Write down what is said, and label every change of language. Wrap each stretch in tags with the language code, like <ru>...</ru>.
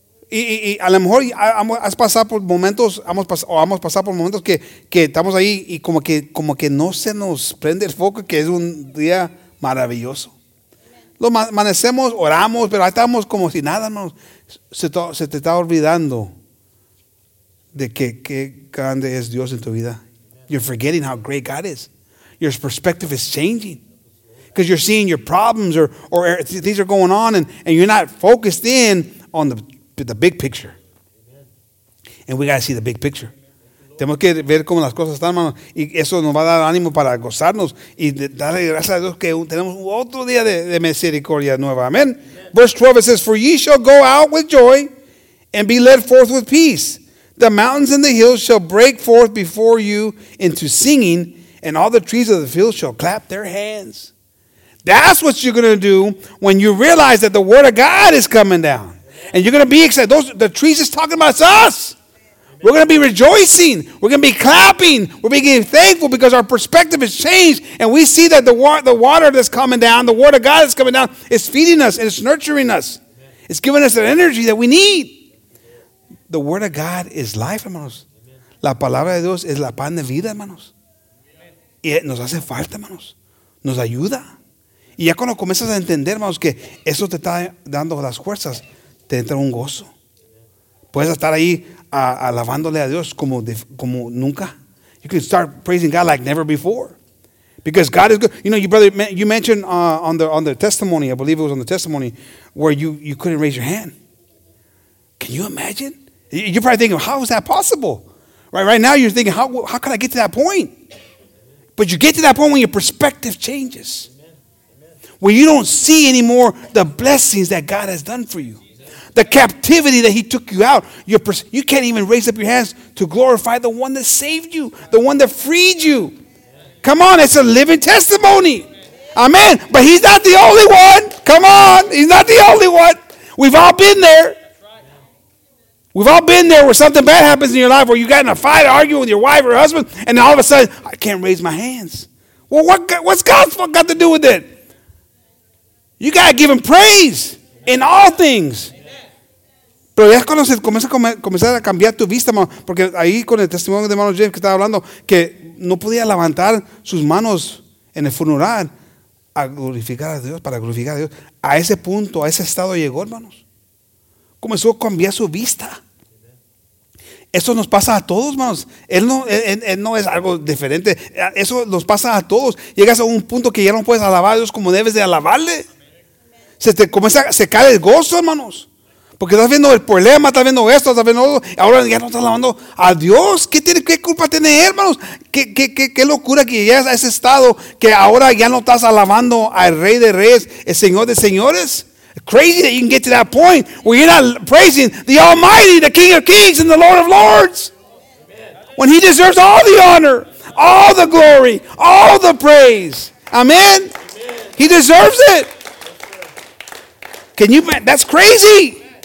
<es>Y a lo mejor has pasado por momentos, hemos pasado por momentos que estamos ahí y como que no se nos prende el foco, que es un día maravilloso. Lo amanecemos, oramos, pero ahí estamos como si nada, hermanos. Se te está olvidando de que grande es Dios en tu vida.</es> <en>You're forgetting how great God is. Your perspective is changing because you're seeing your problems or things are going on and you're not focused in on the big picture. Amen. And we got to see the big picture.</en> <es>Tenemos que ver cómo las cosas están, hermano. Y eso nos va a dar ánimo para gozarnos y darle gracias a Dios que tenemos otro día de misericordia nueva. Amen.</es> <en>Verse 12, it says, for ye shall go out with joy and be led forth with peace. The mountains and the hills shall break forth before you into singing, and all the trees of the field shall clap their hands. That's what you're going to do when you realize that the word of God is coming down. And you're going to be excited. The trees is talking about us. We're going to be rejoicing. We're going to be clapping. We're being thankful because our perspective has changed. And we see that the water that's coming down, the word of God that's coming down, is feeding us and it's nurturing us. It's giving us the energy that we need. The word of God is life, hermanos.</en> <es>La palabra de Dios es la pan de vida, hermanos. Y nos hace falta, hermanos. Nos ayuda. Y ya cuando comienzas a entender, hermanos, que eso te está dando las fuerzas, te entra un gozo. Puedes estar ahí alabándole a Dios como nunca.</es> <en>You can start praising God like never before. Because God is good. You know, you mentioned on the testimony, I believe it was on the testimony, where you couldn't raise your hand. Can you imagine? You're probably thinking, how is that possible? Right now you're thinking, how could I get to that point? But you get to that point when your perspective changes. Amen. When you don't see anymore the blessings that God has done for you. Jesus. The captivity that he took you out. You can't even raise up your hands to glorify the one that saved you. The one that freed you. Amen. Come on, it's a living testimony. Amen. Amen. But he's not the only one. Come on, he's not the only one. We've all been there. We've all been there where something bad happens in your life where you got in a fight, arguing with your wife or husband, and all of a sudden, I can't raise my hands. Well, what's God's fuck got to do with it? You got to give him praise in all things.</en> <es>Pero ya cuando se comienza comenzar a cambiar tu vista, porque ahí con el testimonio de hermano James que estaba hablando, que no podía levantar sus manos en el funeral a glorificar a Dios, para glorificar a Dios. A ese punto, a ese estado llegó, hermanos. Comenzó a cambiar su vista. Eso nos pasa a todos, hermanos. Él no es algo diferente. Eso nos pasa a todos. Llegas a un punto que ya no puedes alabar a Dios como debes de alabarle. Se cae el gozo, hermanos. Porque estás viendo el problema, estás viendo esto, estás viendo otro. Ahora ya no estás alabando a Dios. ¿Qué culpa tiene, hermanos? ¿Qué locura que llegas a ese estado que ahora ya no estás alabando al Rey de Reyes, el Señor de Señores?</es> <en>Crazy that you can get to that point where you're not praising the Almighty, the King of Kings and the Lord of Lords. Amen. When he deserves all the honor, all the glory, all the praise. Amen. He deserves it. Can you, man? That's crazy.</en>